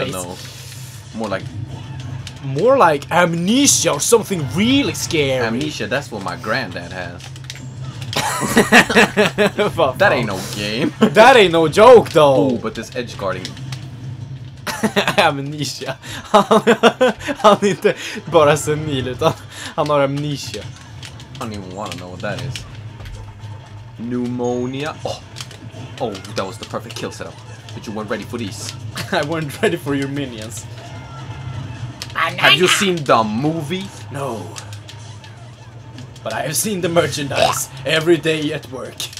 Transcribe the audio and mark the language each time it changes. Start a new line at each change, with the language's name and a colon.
English: I don't know. More like... More like amnesia or something really scary. Amnesia, that's what my granddad has. That ain't no game. That ain't no joke, though. Ooh, but this edgeguarding... Amnesia.
Swedish: Han är inte bara senil, utan han har amnesia.
English: I don't even wanna know what that is. Pneumonia. Oh, that was the perfect kill setup. But you weren't ready for these. I weren't ready for your minions. Banana. Have you seen the movie? No. But I have seen the merchandise every day at work.